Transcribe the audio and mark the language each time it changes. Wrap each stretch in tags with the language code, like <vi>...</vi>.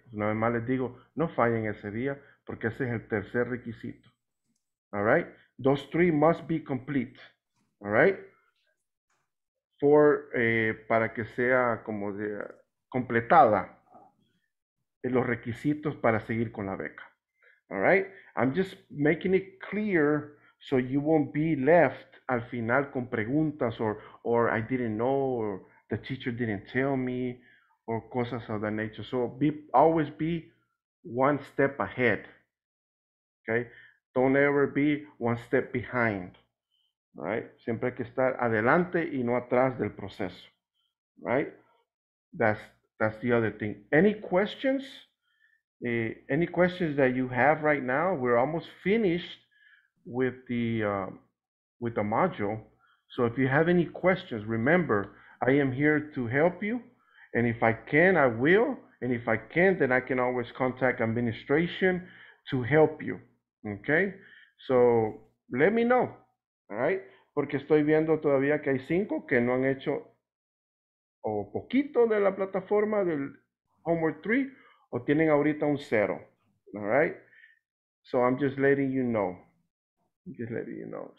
<es>Una vez más les digo, no fallen ese día, porque ese es el tercer requisito.</es> <en>All right? Those three must be complete. All right?</en> <es>For, para que sea como de, completada los requisitos para seguir con la beca.</es> <en>All right? I'm just making it clear so you won't be left</en> <es>al final</es> <en>con preguntas or I didn't know or the teacher didn't tell me or</en> <es>cosas</es> <en>of that nature. So always be one step ahead. Okay? Don't ever be one step behind. Right?</en> <es>Siempre hay que estar adelante y no atrás del proceso.</es> <en>Right? That's the other thing. Any questions? Any questions that you have right now? We're almost finished with the module. So if you have any questions, remember, I am here to help you. And if I can, I will. And if I can't, then I can always contact administration to help you. Okay? So let me know. All right?</en> <es>Porque estoy viendo todavía que hay cinco que no han hecho o poquito de la plataforma del homework three. O tienen ahorita un cero,</es> <en>all right? So I'm just letting you know. Just letting you know.</en>